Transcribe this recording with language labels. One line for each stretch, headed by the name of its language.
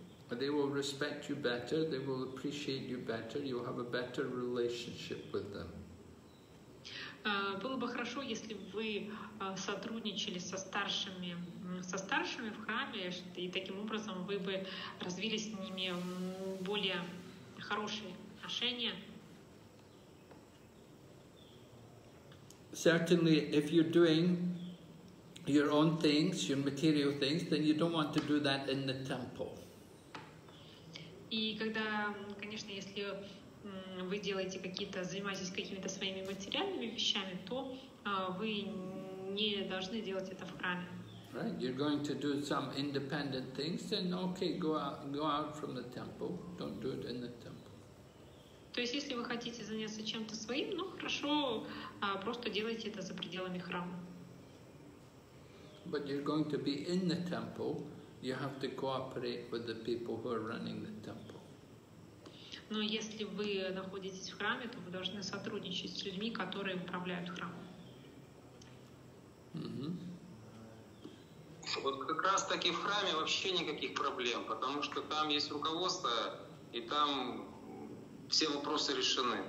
English: They will respect you better, they will appreciate you better, you'll have a better relationship with them.
Russian: Было бы хорошо, если вы сотрудничали со старшими в храме, и таким образом вы бы развили с ними более хорошие отношения.
English: Certainly, if you're doing your own things, your material things, then you don't want to do that in the temple.
Russian: И когда, конечно, если вы делаете какие-то, занимаетесь какими-то своими материальными вещами, то вы не должны делать это в храме.
English: Right, you're going to do some independent things, then okay, go out from the temple. Don't do it in the temple.
Russian: То есть, если вы хотите заняться чем-то своим, ну хорошо, просто делайте это за пределами храма.
English: But you're going to be in the temple, you have to cooperate with the people who are running the temple.
Russian: Но если вы находитесь в храме, то вы должны сотрудничать с людьми, которые управляют храмом. Mm-hmm. Вот как раз таки в храме вообще никаких проблем, потому что там есть руководство, и там все вопросы решены.